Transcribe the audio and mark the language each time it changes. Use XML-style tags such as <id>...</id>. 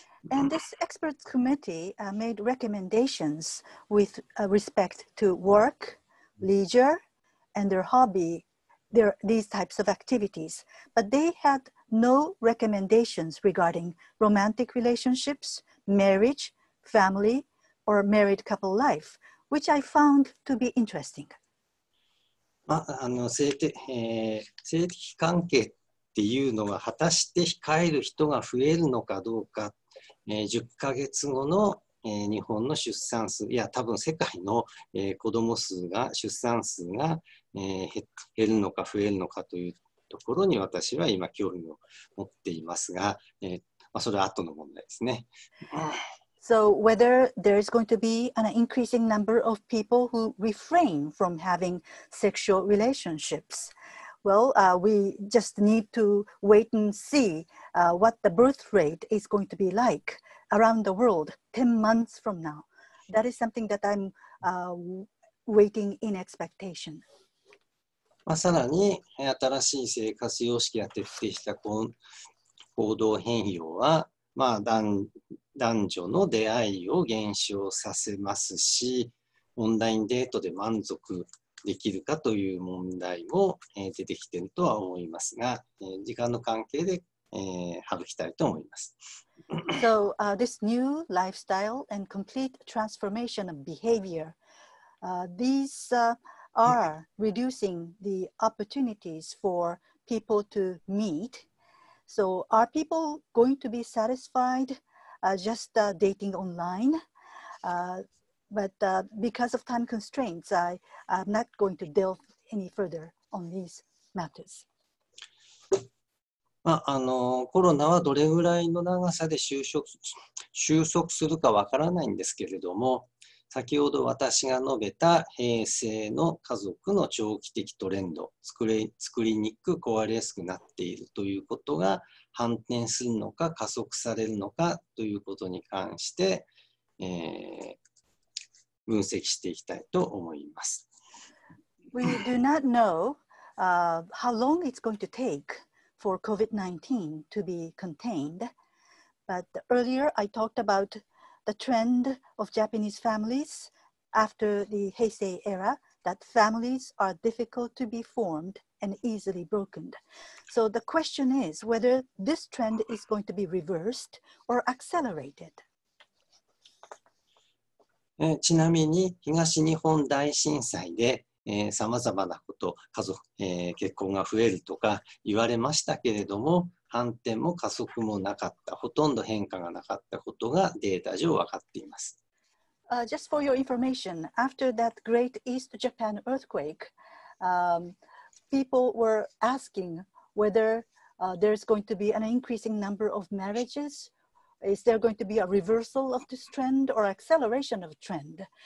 <en>And this experts committee made recommendations with respect to work, leisure, and their hobby, these types of activities. But they had no recommendations regarding romantic relationships, marriage, family, or married couple life, which I found to be interesting.</en> <ja>まあ性的関係っていうのが果たして控える人が増えるのかどうか、10ヶ月後の、日本の出産数、いや多分世界の、子供数が出産数が、減るのか増えるのかというところに私は今興味を持っていますが、それは後の問題ですね。</ja> <en>So whether there is going to be an increasing number of people who refrain from having sexual relationships, well, we just need to wait and see what the birth rate is going to be like around the world 10 months from now. That is something that I'm waiting in expectation.</en> <ja>まあ、さらに新しい生活様式や徹底した行動変容は、まあ、男女の出会いを減少させますし、オンラインデートで満足できるかという問題も、出てきているとは思いますが、時間の関係で、省きたいと思います。</ja> <en>So, this new lifestyle and complete transformation of behavior, these are reducing the opportunities for people to meet. So, are people going to be satisfiedjust dating online, but because of time constraints, I'm not going to delve any further on these matters.</en> <ja>まあ、コロナはどれぐらいの長さで収束するかわからないんですけれども、先ほど私が述べた平成の家族の長期的トレンド、作りにくく壊れやすくなっているということが反転するのか加速されるのかということに関して、分析していきたいと思います。</ja> <en>We do not know how long it's going to take for COVID-19 to be contained, but earlier I talked aboutThe trend of Japanese families after the Heisei era, that families are difficult to be formed and easily broken. So the question is whether this trend is going to be reversed or accelerated.</en> <ja>ちなみに東日本大震災で、さまざまなこと、家族、結婚が増えるとか言われましたけれども、反転も加速もなかった、ほとんど変化がなかったことがデータ上分かっています。</ja> <en>Just for your information, after that great East Japan earthquake, people were asking whether there's going to be an increasing number of marriages. Is there going to be a reversal of this trend or acceleration of trend?</en>